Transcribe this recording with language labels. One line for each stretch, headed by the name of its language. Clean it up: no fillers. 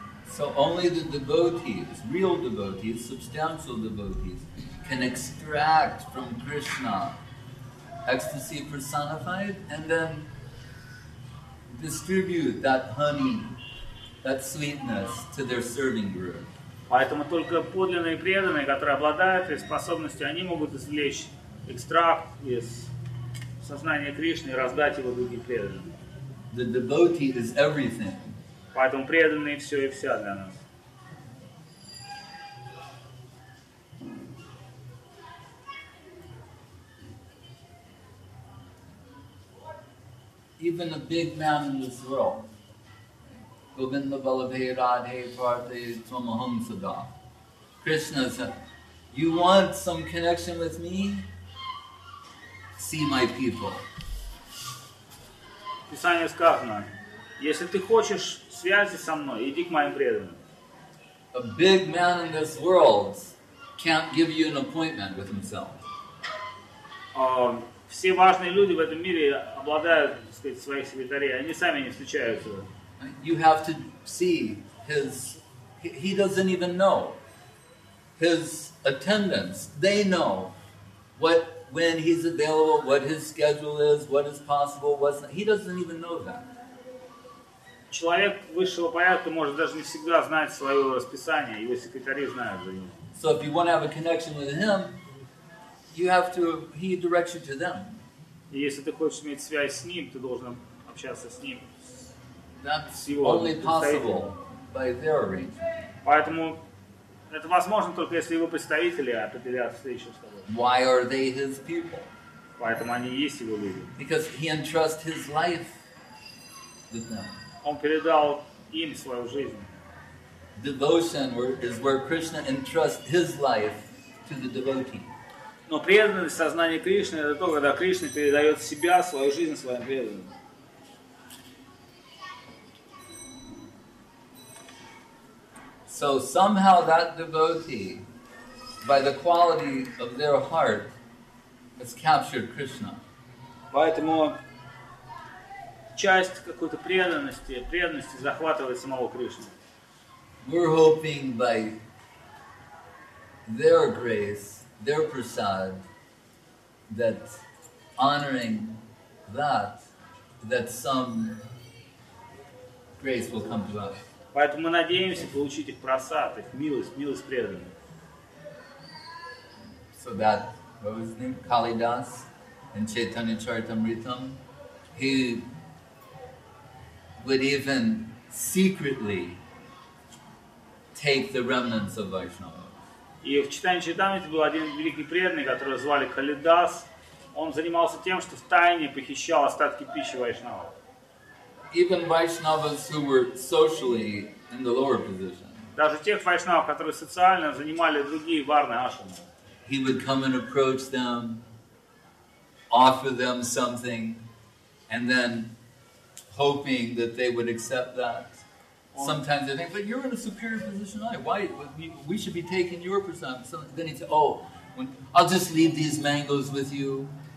English: So only the devotees, real devotees, substantial devotees, can extract from Krishna ecstasy personified and then distribute that honey, that sweetness to their serving group.
Russian: Поэтому только подлинные преданные, которые обладают этой способностью, они могут извлечь экстракт из сознания Кришны и раздать его другим преданным.
English: The devotee is everything.
Russian: Поэтому преданные все и вся для нас.
English: Even a big man in this world,
Sanskrit: Govinda Vallabhai Radhe Parthe Tvamaham Sada.
English: Krishna said, you want some connection with me? See my people.
Russian: Писание сказано, если ты хочешь связи со мной, иди к моим преданным.
English: A big man in this world can't give you an appointment with himself.
Russian: Все важные люди в этом мире обладают, так сказать, своих секретарей, они сами не встречаются.
English: You have to see his, he doesn't even know. His attendants, they know what, when he's available, what his schedule is, what is possible, what's not. He doesn't even know that.
Russian: Человек высшего порядка может даже не всегда знать свое расписание, его секретари знают за него.
English: So if you want to have a connection with him, you have to, he directs you to them.
Russian: И если ты хочешь иметь связь с ним, ты должен общаться с ним.
English: That's only possible by their arrangement.
Russian: Поэтому это возможно только если его представители определят встречу с тобой.
English: Why are they his people?
Russian: Поэтому они есть его люди.
English: Because he entrusts his life with them.
Russian: Он передал им свою жизнь.
English: Devotion is where Krishna entrusts his life to the devotee.
Russian: Но преданность сознания Кришны это то, когда Кришна передает себя, свою жизнь своим преданным.
English: So somehow that devotee, by the quality of their heart, has captured Krishna.
Russian: Поэтому часть какой-то преданности, преданности захватывает самого Кришну.
English: We're hoping by their grace, their prasad, that honoring that, that some grace will come to us.
Russian: Поэтому мы надеемся получить их просад, их милость, милость преданных.
English: So that, what was his name? Kalidas in Chaitanya Charitamritam, he would even secretly take the remnants of Vaishnava.
Russian: И в Chaitanya Charitamrita был один великий преданный, которого звали Kalidas. Он занимался тем, что втайне похищал остатки пищи Вайшнава.
English: Even Vaishnavas who were socially in the lower position.
Russian: Даже тех вайшнавов, которые социально занимали другие варны ашрамы.
English: He would come and approach them, offer them something, and then hoping that they would accept that. Sometimes they think, but you're in a superior position. Why? We should be taking your prasad. So then he'd say, I'll just leave these mangoes with you.